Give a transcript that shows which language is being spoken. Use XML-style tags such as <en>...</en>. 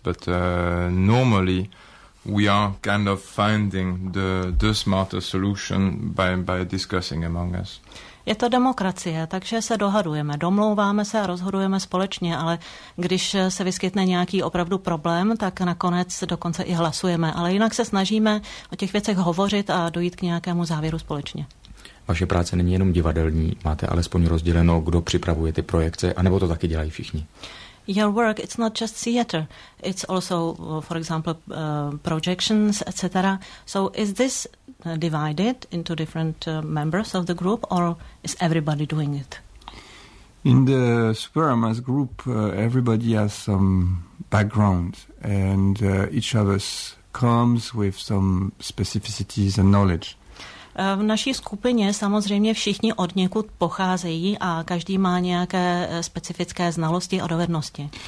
<en>But normally, we are kind of finding the smarter solution by discussing among us.</en> <cs>Je to demokracie, takže se dohadujeme, domlouváme se a rozhodujeme společně, ale když se vyskytne nějaký opravdu problém, tak nakonec dokonce i hlasujeme. Ale jinak se snažíme o těch věcech hovořit a dojít k nějakému závěru společně. Vaše práce není jenom divadelní, máte alespoň rozděleno, kdo připravuje ty projekce, anebo to taky dělají všichni?</cs> <en>Your work, it's not just theater. It's also, for example, projections, etc. So is this divided into different members of the group, or is everybody doing it? In the Superamas group, everybody has some background, and each of us comes with some specificities and knowledge.</en> <cs>V naší skupině samozřejmě všichni odněkud pocházejí a každý má nějaké specifické znalosti a dovednosti.</cs>